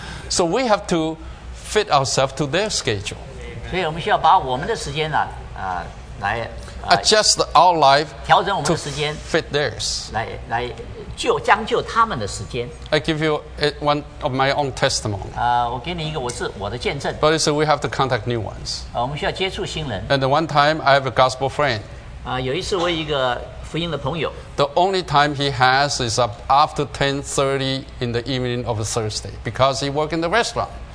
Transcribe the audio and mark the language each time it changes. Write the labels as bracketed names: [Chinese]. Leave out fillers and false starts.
[English] So we have to fit ourselves to their schedule. [Chinese] 所以我们需要把我们的时间来。 [English] Adjust our life to fit theirs. [Chinese] 将就他们的时间。 [English] I give you one of my own testimony. [Chinese] 我给你一个我的见证。 [English] But we have to contact new ones. [Chinese] 我们需要接触新人。 [English] And one time I have a gospel friend. [Chinese] 有一次我有一个福音的朋友。 [English] The only time he has is up after 10:30 in the evening of Thursday because he works in the restaurant.